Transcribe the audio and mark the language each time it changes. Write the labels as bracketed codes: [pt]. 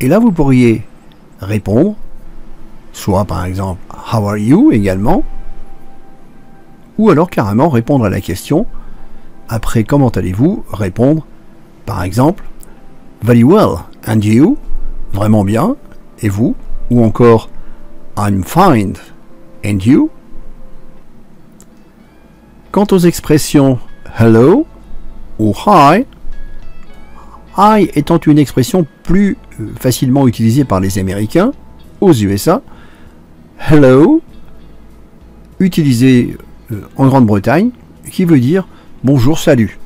[fr] Et là, vous pourriez répondre, soit par exemple « [en] How are you ?» [fr] également, ou alors carrément répondre à la question, après « Comment allez-vous » répondre, par exemple « [en] Very well, and you ?» [fr] Vraiment bien, et vous? Ou encore, [en] I'm fine, and you? [fr] Quant aux expressions hello ou hi étant une expression plus facilement utilisée par les Américains aux USA, hello, utilisé en Grande-Bretagne, qui veut dire bonjour, salut.